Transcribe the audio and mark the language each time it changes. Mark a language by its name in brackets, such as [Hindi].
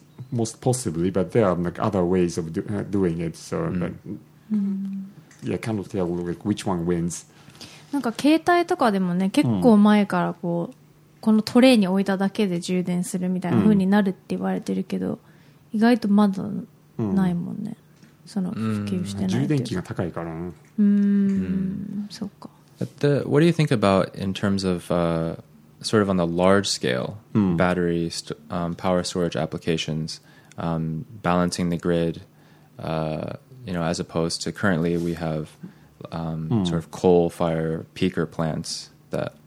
[English] Most possibly, but there are like other ways of doing it. So, cannot tell like which one wins. [Japanese] なんか携帯とかでもね、結構前からこう、このトレイに置いただけで充電するみたいな風になるって言われてるけど、意外とまだないもんね。その普及してない。充電器が高いから。そっか。 [English] What do you think about in terms of sort of on the large scale battery power storage applications, balancing the grid, you know, as opposed to currently we have sort of coal fire peaker plants that